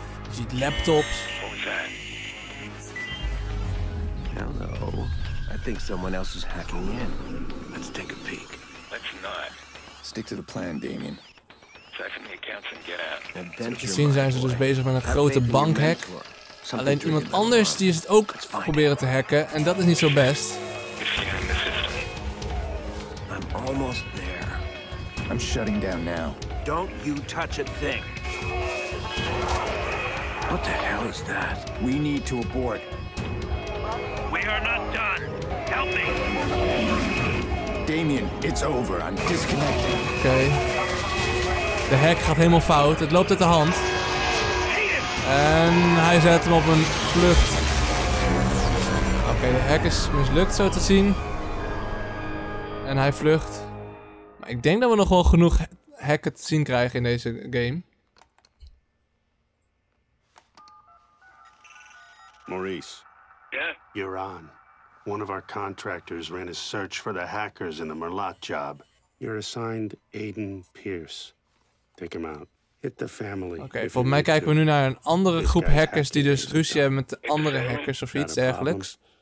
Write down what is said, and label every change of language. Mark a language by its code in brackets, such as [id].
[nl] Je ziet laptops. [en] What was that? I don't know. I think someone else is hacking in. Let's take a peek. Let's not. Stick to the plan, Damien. Siphon the accounts and get out. [nl] Zoals je ziet zijn ze dus bezig met een grote bankhack. Alleen iemand anders die is het ook proberen te hacken. En dat is niet zo best. [en] I'm almost there. I'm shutting down now. Don't you touch a thing. What the hell is that? We need to abort. We are not done. Help me. Damien, it's over. I'm disconnecting. Okay. [nl] De hack gaat helemaal fout. Het loopt uit de hand. En hij zet hem op een vlucht. Oké, de hack is mislukt zo te zien. En hij vlucht. Maar ik denk dat we nog wel genoeg hacken te zien krijgen in deze game. [en] Maurice. Yeah? You're on. One of our contractors ran a search for the hackers in the Merlot job. You're assigned Aiden Pierce. Take him out. Hit the family. [nl] Oké, volgens mij kijken we nu naar een andere groep hackers die dus ruzie hebben met de andere hackers of iets dergelijks.